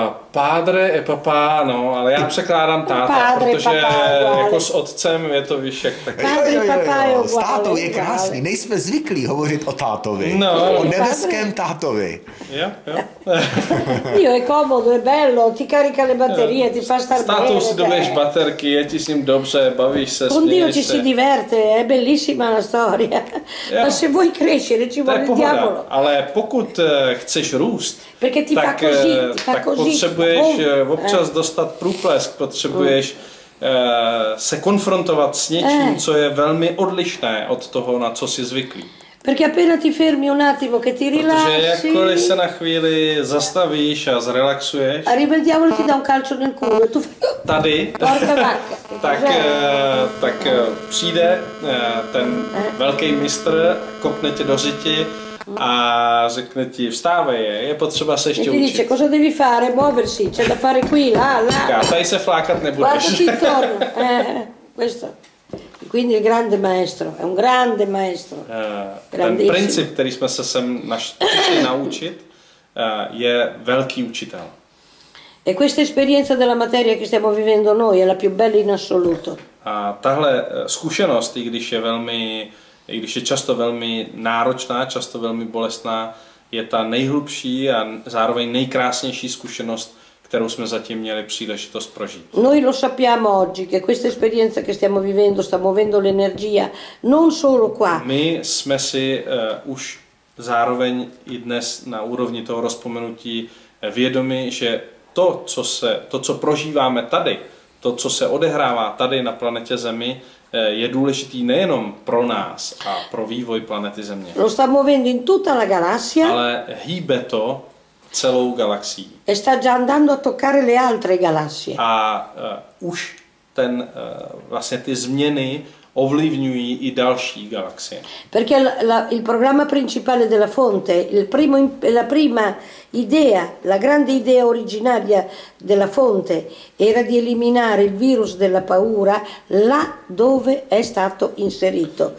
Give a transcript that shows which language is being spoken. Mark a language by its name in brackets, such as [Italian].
[Italian] Padre e papà, [Czech] no, ale já překládám táta, protože [Italian] papá, [Czech] jako s otcem je to víš jak tak. [Italian] Padre e papà [Czech] je [Italian] uguale. [Czech] S tátou je krásný, nejsme zvyklí hovořit o tátovi. No. O nebeském tátovi. Jo, jo. [Italian] Dio è comodo, è bello, ti carica le batterie, ti fa star bene. [Czech] S tátou si dobiješ baterky, je ti s ním dobře, bavíš se, [Italian] con Dio ci si diverte, è bellissima la storia. Yeah. Ma se vuoi crescere ci vuole il diavolo. [Czech] Ale pokud chceš růst, [Italian] perché ti fa così, [Czech] tak potřebuješ občas dostat průplesk, potřebuješ se konfrontovat s něčím, co je velmi odlišné od toho, na co jsi zvyklý. [Italian] Perché appena ti fermi un attimo che ti rilassi. [Czech] Protože jakkoliv se na chvíli zastavíš a zrelaxuješ. [Italian] Arriva il diavolo ti dà un calcio nel culo. Tu fai. [Czech] Tady. [Italian] Porca vacca. [Czech] Tak přijde ten velký mistr, kopne tě do řiti a řekne ti, vstávej, je potřeba se ještě učit. [Italian] Ti dice, cosa devi fare, muoversi, c'è da fare qui, là, là. [Czech] Říká, tady se flákat nebudeš. [Italian] Guarda intorno, questo. Quindi il grande maestro, è un grande maestro. [Czech] Ten princip, který jsme se sem našli naučit, je velký učitel. [Italian] E questa esperienza della materia che stiamo vivendo noi è la più bella in assoluto. [Czech] A tahle zkušenost, i když je často velmi náročná, často velmi bolestná, je ta nejhlubší a zároveň nejkrásnější zkušenost, kterou jsme zatím měli příležitost prožít. [Italian] Noi lo sappiamo oggi che questa esperienza che stiamo vivendo sta muovendo l'energia non solo qua. [Czech] My jsme si už zároveň i dnes na úrovni toho rozpomenutí vědomi, že to, co prožíváme tady, to, co se odehrává tady na planetě Zemi, je důležitý nejenom pro nás a pro vývoj planety Země. [Italian] Lo sta muovendo in tutta la galassia. [Czech] Ale hýbe to celou galaxií. [Italian] E sta già andando a toccare le altre galassie. [Czech] A už ten vlastně ty změny ovlivňují i další galaxie. [Italian] Perché il programma principale della fonte, la prima idea, la grande idea originaria della fonte era di eliminare il virus della paura là dove è stato inserito.